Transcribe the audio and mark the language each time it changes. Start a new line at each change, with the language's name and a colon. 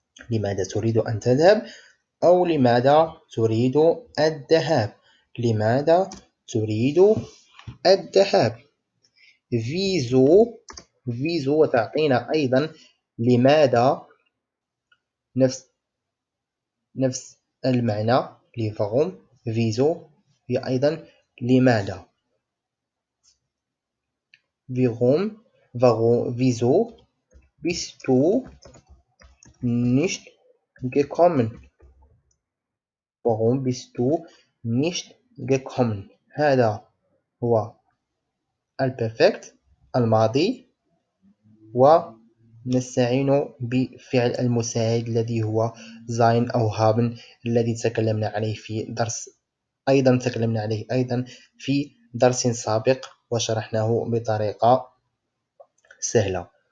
Arabic: لماذا تريد أن تذهب؟ أو لماذا تريد الذهاب؟ لماذا تريد الذهاب؟
German: wieso wieso
Arabic: وتعطينا أيضا لماذا نفس المعنى لفغم. wieso هي أيضا لماذا.
German: warum warum wieso bist du nicht gekommen warum bist du nicht gekommen.
Arabic: هذا هو البرفكت الماضي، ونستعين بفعل المساعد الذي هو sein أو haben الذي تكلمنا عليه في درس أيضا تكلمنا عليه أيضا في درس سابق وشرحناه بطريقة سهلة.